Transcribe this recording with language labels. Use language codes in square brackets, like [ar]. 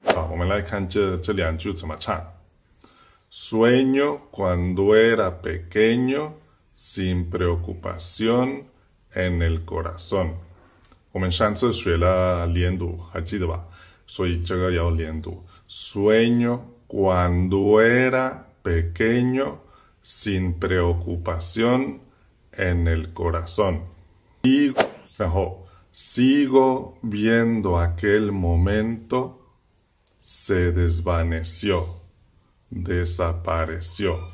[zh] 我们来看这两句怎么唱。 [es] Sueño cuando era pequeño sin preocupación en el corazón。 [zh] 我们上次学了连读，还记得吧？所以这个要连读。 [es] Sueño cuando era pequeño sin preocupación en el corazón。然后 Sigo viendo aquel momentose desvaneció, desapareció。